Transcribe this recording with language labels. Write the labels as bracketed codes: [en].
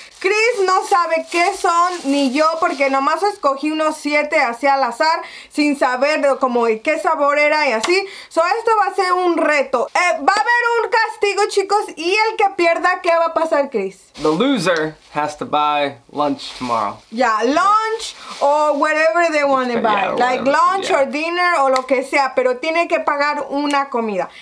[es] Chris no sabe qué son, ni yo, porque nomás escogí unos 7 así al azar, sin saber como qué sabor era y así. So, esto va a ser un reto. Va a haber un castigo, chicos, y el que pierda, ¿qué va a pasar, Chris? [en] The loser has to buy lunch tomorrow. Yeah, lunch or whatever they want to buy. Yeah, like lunch, yeah, or dinner [es] o lo que sea, pero tiene que pagar una comida.